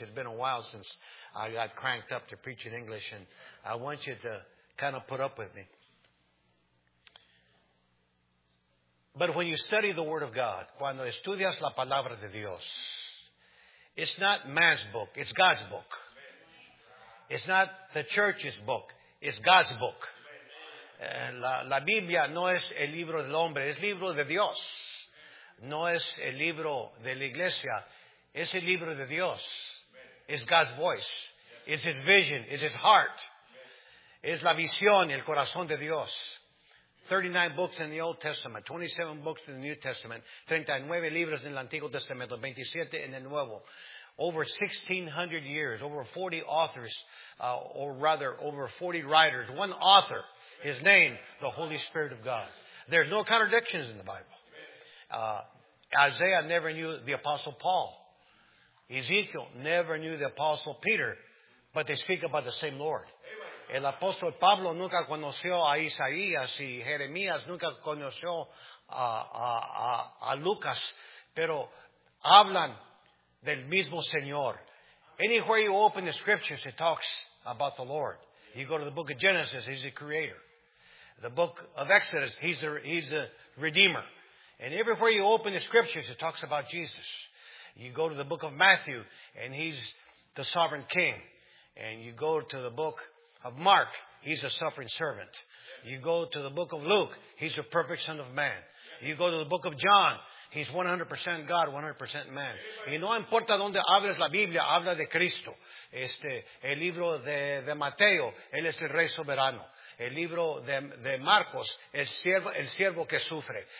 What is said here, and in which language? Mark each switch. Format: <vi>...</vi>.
<en>It's been a while since I got cranked up to preach in English, and I want you to kind of put up with me. But when you study the Word of God,</en> <es>cuando estudias la palabra de Dios,</es> <en>it's not man's book. It's God's book. It's not the church's book. It's God's book.</en> <es>La Biblia no es el libro del hombre, es el libro de Dios. No es el libro de la iglesia, es el libro de Dios.</es> <en>Es God's voice. It's His vision. It's His heart.</en> <es>Es la visión, el corazón de Dios.</es> <en>39 books in the Old Testament, 27 books in the New Testament,</en> <es>39 libros en el Antiguo Testamento, 27 en el Nuevo.</es> <en>Over 1600 years, over 40 authors, over 40 writers, one author, his name, the Holy Spirit of God. There's no contradictions in the Bible. Isaiah never knew the Apostle Paul. Ezekiel never knew the Apostle Peter, but they speak about the same Lord.</en> <es>El apóstol Pablo nunca conoció a Isaías y Jeremías nunca conoció a Lucas, pero hablan del mismo Señor.</es> <en>Anywhere you open the scriptures, it talks about the Lord. You go to the book of Genesis, He's the creator. The book of Exodus, He's the redeemer. And everywhere you open the scriptures, it talks about Jesus. You go to the book of Matthew, and He's the sovereign king. And you go to the book of Mark, He's a suffering servant. You go to the book of Luke, He's the perfect Son of Man. You go to the book of John, He's 100% God, 100% man.</en> <es>Y no importa donde hables la Biblia, habla de Cristo. El libro de Mateo, Él es el Rey Soberano. El libro de Marcos, el siervo que sufre.</es>